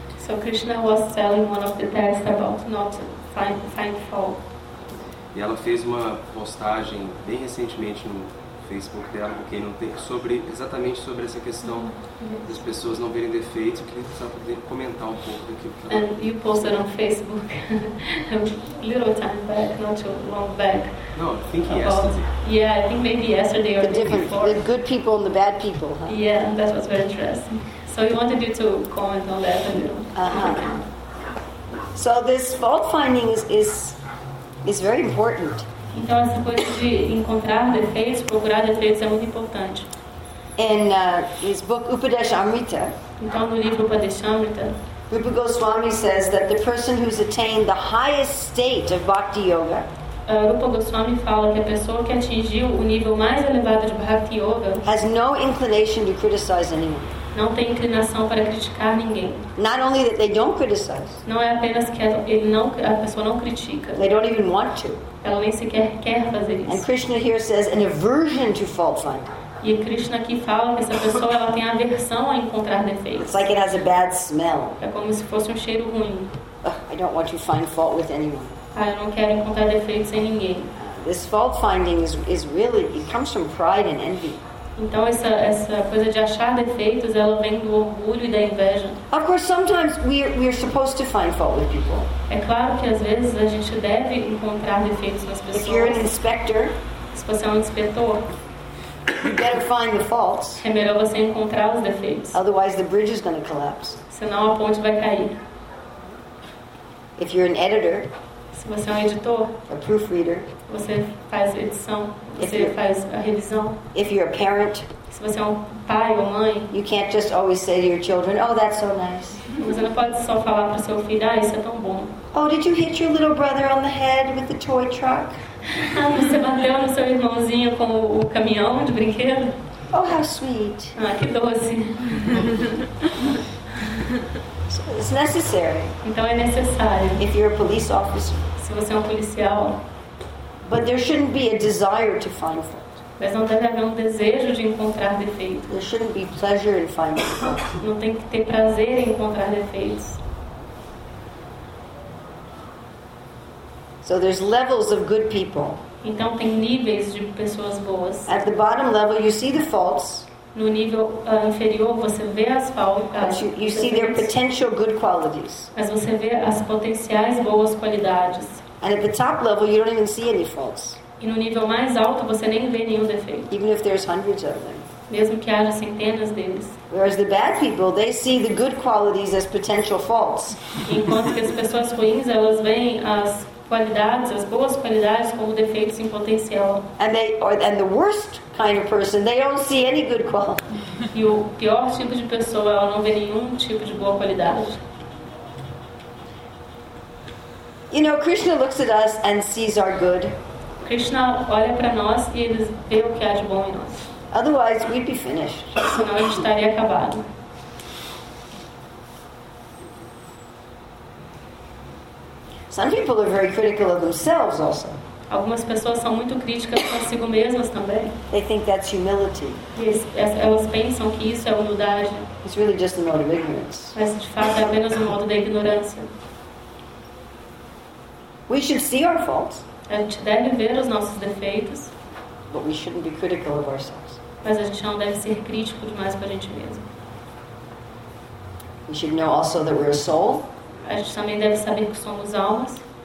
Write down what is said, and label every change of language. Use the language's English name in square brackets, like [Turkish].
[English] So Krishna was telling one of the texts about not find fault. [Portuguese] E ela fez uma postagem bem recentemente no Facebook dela, porque não tem, sobre essa questão das pessoas não verem defeitos. Eu queria poder comentar um pouco daquilo que ela... [English] And you posted on Facebook a little time back, not too long back. No, I think yesterday. Yeah, I think maybe yesterday or the day before. The good people and the bad people, huh? Yeah, that was very interesting. So we wanted you to comment on that a little. So this fault finding is very important. [Portuguese] Então essa coisa de encontrar defeitos, procurar defeitos é muito importante. [English] In his book Upadeshamrita. [Portuguese] Então no livro Upadeshamrita, [English] Rupa Goswami says that the person who's attained the highest state of bhakti yoga. [Portuguese] Rupa Goswami fala que a pessoa que atingiu o nível mais elevado de bhakti yoga [English] has no inclination to criticize anyone. [Portuguese] Não tem inclinação para criticar ninguém. [English] Not only that they don't criticize. [Portuguese] Não é apenas que a pessoa não critica. [English] They don't even want to. [Portuguese] Ela nem sequer quer fazer isso. [English] And Krishna here says an aversion to fault finding. [Portuguese] E Krishna aqui fala que essa pessoa ela tem aversão a encontrar defeitos. [English] It's like it has a bad smell. [Portuguese] É como se fosse um cheiro ruim. [English] I don't want to find fault with anyone. [Portuguese] Ah, eu não quero encontrar defeitos em ninguém. [English] This fault finding is really, it comes from pride and envy. [Portuguese] Então essa coisa de achar defeitos, ela vem do orgulho e da inveja. [English] Of course, sometimes we are supposed to find fault with people. [Portuguese] É claro que às vezes a gente deve encontrar defeitos nas pessoas. [English] If you're an inspector, [Portuguese] se você é um inspetor, [English] you better find the faults. [Portuguese] É melhor você encontrar os defeitos. [English] Otherwise, the bridge is going to collapse. [Portuguese] Senão a ponte vai cair. [English] If you're an editor, [Portuguese] se você é um editor, [English] a proofreader, [Portuguese] você faz edição, você faz a revisão. [English] If you're a parent, [Portuguese] se você é um pai ou mãe, [English] you can't just always say to your children, oh, that's so nice. [Portuguese] Você não pode só falar para seu filho, ah, isso é tão bom. [English] Oh, did you hit your little brother on the head with the toy truck? [Portuguese] Ah, você bateu no seu irmãozinho com o caminhão de brinquedo? [English] Oh, how sweet. [Portuguese] Ah, que doce. [English] So it's necessary. [Portuguese] Então é necessário. [English] If you're a police officer, [Portuguese] se você é um policial. [English] But there shouldn't be a desire to find fault. [Portuguese] Mas não deve haver um desejo de encontrar defeitos. [English] There shouldn't be pleasure in finding fault. [Portuguese] Não tem que ter prazer em encontrar defeitos. [English] So there's levels of good people. [Portuguese] Então tem níveis de pessoas boas. [English] At the bottom level, you see the faults. [Portuguese] No nível inferior, você vê as faltas. [English] But you see their potential good qualities. [Portuguese] Mas você vê as potenciais boas qualidades. [English] And at the top level, you don't even see any faults. [Portuguese] E no nível mais alto, você nem vê nenhum defeito. [English] Even if there's hundreds of them. [Portuguese] Mesmo que haja centenas deles. [English] Whereas the bad people, they see the good qualities as potential faults. [Portuguese] Enquanto que as pessoas ruins, elas veem as qualidades, as boas qualidades como defeitos em potencial. [English] And the worst kind of person, they don't see any good quality. [Portuguese] E o pior tipo de pessoa, ela não vê nenhum tipo de boa qualidade. [English] You know, Krishna looks at us and sees our good. [Portuguese] Krishna olha para nós e ele vê o que há de bom em nós. [English] Otherwise, we'd be finished. [Portuguese] Senão a gente estaria acabado. [English] Some people are very critical of themselves also. [Portuguese] Algumas pessoas são muito críticas consigo mesmas também. [English] They think that's humility. [Portuguese] Elas pensam que isso é humildade. [English] It's really just a mode of ignorance. [Portuguese] Mas de fato é apenas um modo da ignorância. [English] We should see our faults. [Portuguese] A gente deve ver os nossos defeitos. [English] But we shouldn't be critical of ourselves. [Portuguese] Mas a gente não deve ser crítico demais para a gente mesmo. [English] We should know also that we're a soul. [Portuguese] A gente também deve saber que somos almas.